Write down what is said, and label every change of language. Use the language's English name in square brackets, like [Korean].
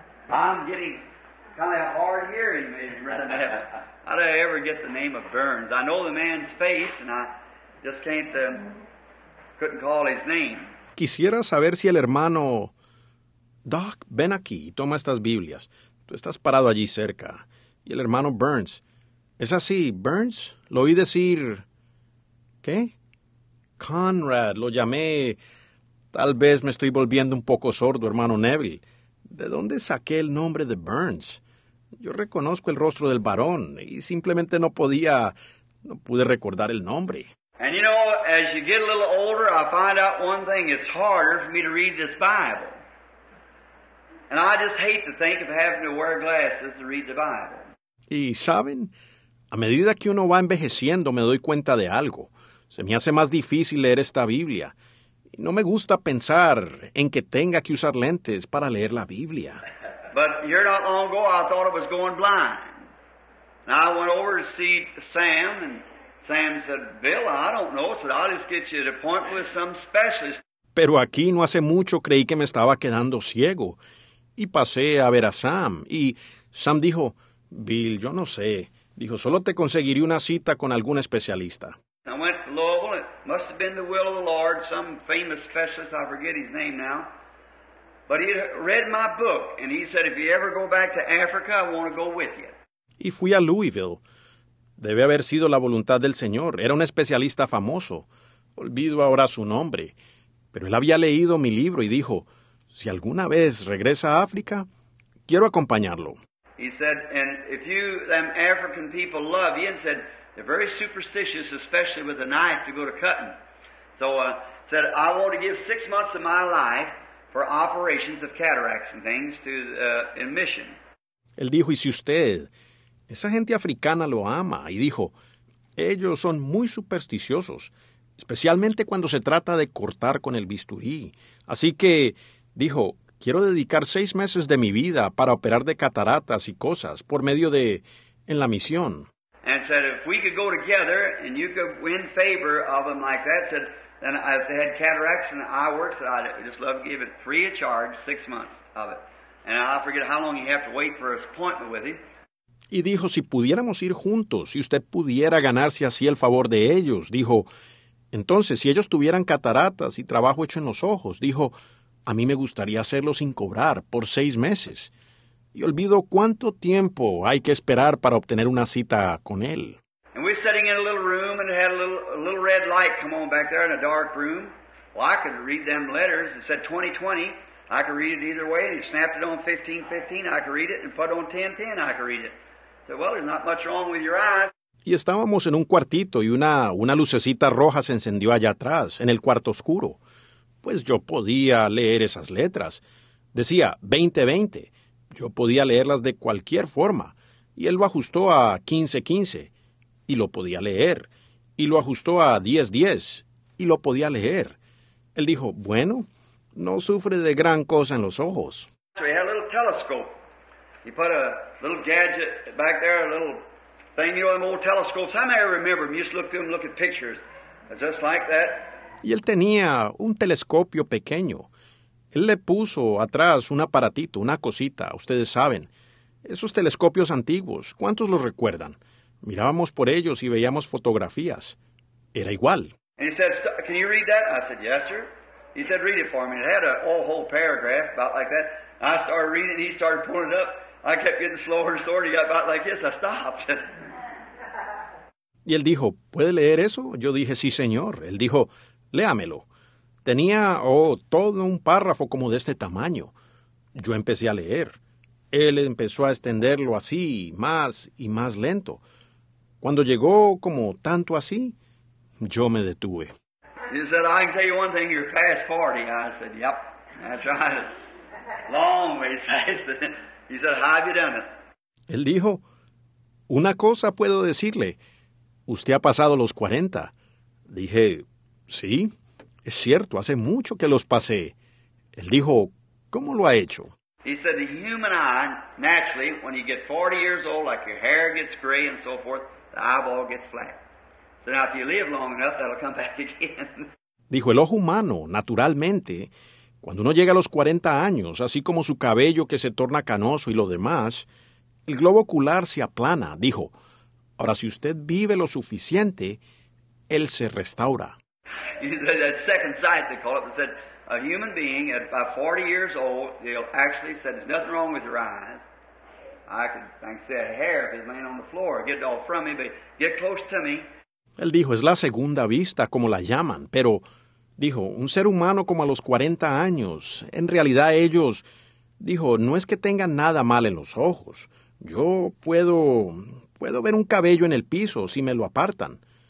[English] I'm getting kind of hard hearing, maybe. How did I ever get the name of Burns? I know the man's face, and I just couldn't call his name. [Spanish] Quisiera saber si el hermano Doc, ven aquí y toma estas Biblias. Tú estás parado allí cerca. Y el hermano Burns, ¿es así, Burns? Lo oí decir, ¿qué? Conrad, lo llamé. Tal vez me estoy volviendo un poco sordo, hermano Neville. ¿De dónde saqué el nombre de Burns? Yo reconozco el rostro del varón y simplemente no pude recordar el nombre. [English] And you know, as you get a little older, I find out one thing, it's harder for me to read this Bible. And I just hate to think of having to wear glasses to read the Bible. [Spanish] Y saben, a medida que uno va envejeciendo, me doy cuenta de algo. Se me hace más difícil leer esta Biblia. Y no me gusta pensar en que tenga que usar lentes para leer la Biblia. [English] But a year not long ago, I thought I was going blind. And I went over to see Sam, and Sam said, Bill, I don't know, so I'll just get you an appointment with some specialist. [Spanish] Pero aquí no hace mucho creí que me estaba quedando ciego. Y pasé a ver a Sam, y Sam dijo, Bill, yo no sé. Dijo, solo te conseguiré una cita con algún especialista. [English] I went to Louisville, it must have been the will of the Lord, some famous specialist, I forget his name now. But he read my book, and he said, if you ever go back to Africa, I want to go with you. [Spanish] Y fui a Louisville. Debe haber sido la voluntad del Señor. Era un especialista famoso. Olvido ahora su nombre. Pero él había leído mi libro y dijo, si alguna vez regresa a África, quiero acompañarlo. [English] He said, and if you, them African people love you, and said, they're very superstitious, especially with a knife to go to cutting. So said, I want to give 6 months of my life for operations of cataracts and things to in mission. [Spanish] Él dijo, y si usted, esa gente africana lo ama, y dijo, ellos son muy supersticiosos, especialmente cuando se trata de cortar con el bisturí. Así que, dijo, quiero dedicar 6 meses de mi vida para operar de cataratas y cosas por medio de, en la misión. [English] And said, if we could go together and you could win favor of them like that, said, then if they had cataracts and eye works, I'd just love to give it free of charge, 6 months of it. And I forget how long you have to wait for an appointment with him. [Spanish] Y dijo, si pudiéramos ir juntos, si usted pudiera ganarse así el favor de ellos, dijo, entonces, si ellos tuvieran cataratas y trabajo hecho en los ojos, dijo, a mí me gustaría hacerlo sin cobrar por 6 meses. Y olvido cuánto tiempo hay que esperar para obtener una cita con él. [English] And we're sitting in a little room and it had a little red light come on back there in a dark room. Well, I could read them letters. It said 2020. I could read it either way. And he snapped it on 1515. I could read it. And put it on 1010. I could read it. I said, well, there's not much wrong with your eyes. [Spanish] Y estábamos en un cuartito y una lucecita roja se encendió allá atrás, en el cuarto oscuro. Pues yo podía leer esas letras. Decía 2020. Yo podía leerlas de cualquier forma. Y él lo ajustó a 1515. Y lo podía leer. Y lo ajustó a 1010. Y lo podía leer. Él dijo, bueno, no sufre de gran cosa en los ojos. [English] So he had a little telescope. He put a little gadget back there, a little thing, you know, them old telescopes. I may remember them. You just look through them, look at pictures. Just like that. [Spanish] Y él tenía un telescopio pequeño. Él le puso atrás un aparatito, una cosita, ustedes saben. Esos telescopios antiguos, ¿cuántos los recuerdan? Mirábamos por ellos y veíamos fotografías. Era igual. [English] And he said, can you read that? I said, yes, sir. He said, read it for me. It had a whole paragraph about like that. I started reading it, he started pulling it up. I kept getting slower and slower. He got about like this. I stopped. [Spanish] Y él dijo, ¿puede leer eso? Yo dije, sí, señor. Él dijo, léamelo. Tenía, todo un párrafo como de este tamaño. Yo empecé a leer. Él empezó a extenderlo así, más y más lento. Cuando llegó como tanto así, yo me detuve. [English] He said, I can tell you one thing, you're past 40. I said, yep, that's right. Long ways past it. He said, how have you done it? [Spanish] Él dijo, una cosa puedo decirle. Usted ha pasado los 40. Dije, sí. Es cierto, hace mucho que los pasé. Él dijo, ¿cómo lo ha hecho? [English] He said, the human eye, naturally, when you get 40 years old, like your hair gets gray and so forth, the eyeball gets flat. So now if you live long enough, that'll come back again. [Spanish] Dijo, el ojo humano, naturalmente, cuando uno llega a los 40 años, así como su cabello que se torna canoso y lo demás, el globo ocular se aplana. Dijo, ahora si usted vive lo suficiente, él se restaura. [English] He said, that second sight, they call it, they said, a human being at about 40 years old, they'll actually said, there's nothing wrong with your eyes. I could say, a hair if it's laying on the floor, get it all from me, but get close to me. [Spanish] Él dijo, es la segunda vista, como la llaman, pero, dijo, un ser humano como a los 40 años, en realidad ellos, Dijo, no es que tenga nada mal en los ojos. Yo puedo ver un cabello en el piso si me lo apartan.